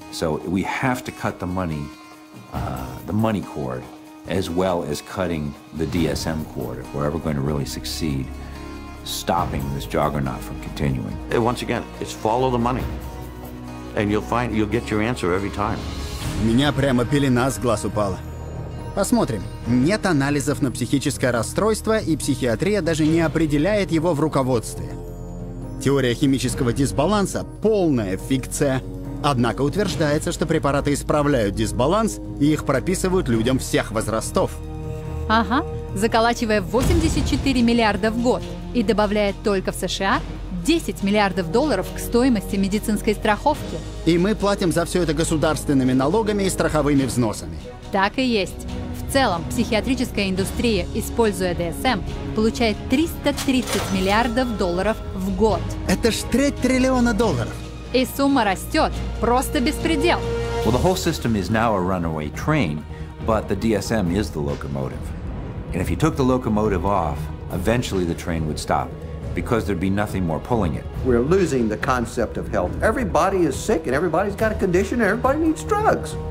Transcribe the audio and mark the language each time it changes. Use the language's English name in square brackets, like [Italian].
[English] So we have to cut the money cord, as well as cutting the DSM cord if we're ever going to really succeed stopping this juggernaut from continuing. Once again, it's follow the money, and you'll get your answer every time. [Russian] Меня прямо пелена с глаз упала. Посмотрим. Нет анализов на психическое расстройство, и психиатрия даже не определяет его в руководстве. Теория химического дисбаланса – полная фикция. Однако утверждается, что препараты исправляют дисбаланс, и их прописывают людям всех возрастов. Ага, заколачивая 84 миллиарда в год и добавляя только в США 10 миллиардов долларов к стоимости медицинской страховки. И мы платим за все это государственными налогами и страховыми взносами. Так и есть. В целом, психиатрическая индустрия, используя DSM, получает 330 миллиардов долларов в год. Это ж треть триллиона долларов. И сумма растет. Просто беспредел. [English] Well, the whole system is now a runaway train, but the DSM is the locomotive. And if you took the locomotive off, eventually the train would stop, because there'd be nothing more pulling it. We're losing the concept of health. Everybody is sick, and everybody's got a condition, and everybody needs drugs.